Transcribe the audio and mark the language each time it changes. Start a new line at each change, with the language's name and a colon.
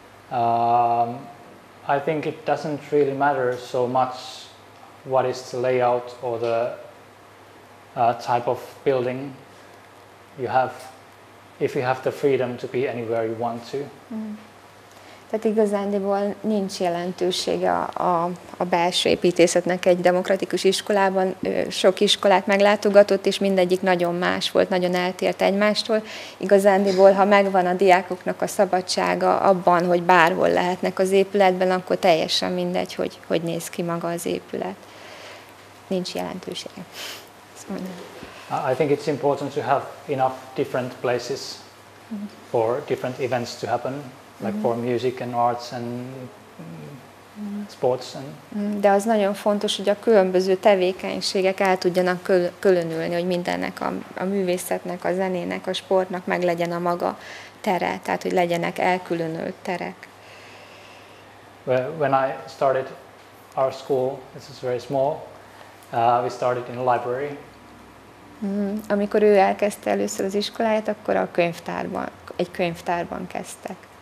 English: I think it doesn't really matter so much what is the layout or the type of building you have, if you have the freedom to be anywhere you want to.
Hungarian: Tehát igazándiból nincs jelentősége a belső építészetnek egy demokratikus iskolában. Sok iskolát meglátogatott, és mindegyik nagyon más volt, nagyon eltért egymástól. Igazándiból, ha megvan a diákoknak a szabadsága abban, hogy bárhol lehetnek az épületben, akkor teljesen mindegy, hogy néz ki maga az épület. Nincs jelentősége.
English: I think it's important to have enough different places for different events to happen. Like for music and arts and sports and.
Hungarian: De az nagyon fontos, hogy a különböző tevékenységek el tudjanak különülni, hogy mindennek a művészetnek, a zenének, a sportnak meg legyen a maga tere, tehát hogy legyenek elkülönült terek.
English: When I started our school, this is very small. We started in a library.
Hungarian: Amikor ő elkezdte először az iskoláját, akkor a könyvtárban, egy könyvtárban kezdtek.